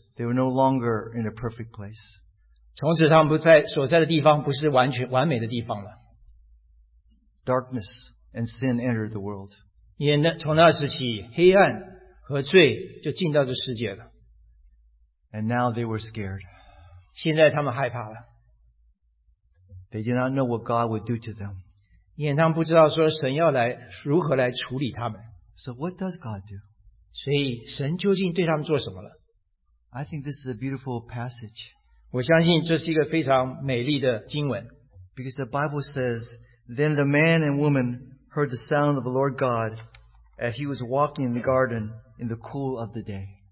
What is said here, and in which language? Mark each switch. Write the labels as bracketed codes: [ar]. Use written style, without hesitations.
[en] They were no longer in a perfect place. [zh] 从此他们所在的地方不是完美的地方了。 [en] Darkness and sin entered the world. [zh] 从那时起,黑暗和罪就进到这世界了。 [en] And now they were scared. [zh] 现在他们害怕了。 [en] They did not know what God would do to them. [zh] 因为他们不知道说神要来如何来处理他们。 [en] So what does God do? [zh] 所以神究竟对他们做什么了? [en] I think this is a beautiful passage. [zh] 我相信这是一个非常美丽的经文。 [en] Because the Bible says, Then the man and woman heard the sound of the Lord God as he was walking in the garden in the cool of the day.